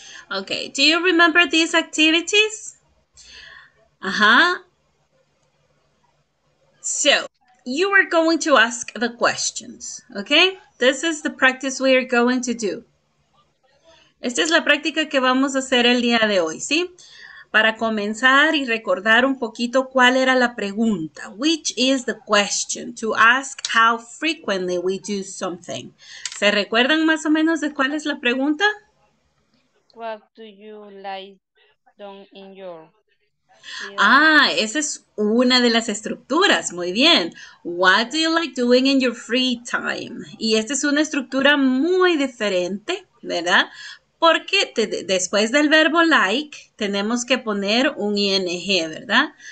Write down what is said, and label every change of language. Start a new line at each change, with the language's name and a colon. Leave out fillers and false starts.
English: Okay, do you remember these activities? Uh-huh. So, you are going to ask the questions, okay? This is the practice we are going to do.
Spanish: Esta es la práctica que vamos a hacer el día de hoy, ¿sí? Para comenzar y recordar un poquito cuál era la pregunta.
English: Which is the question to ask how frequently we do something.
Spanish: ¿Se recuerdan más o menos de cuál es la pregunta?
English: What do you like doing in your...
Spanish: Ah, esa es una de las estructuras. Muy bien.
English: What do you like doing in your free time?
Spanish: Y esta es una estructura muy diferente, ¿verdad? Porque después del verbo like, tenemos que poner un ing, ¿verdad?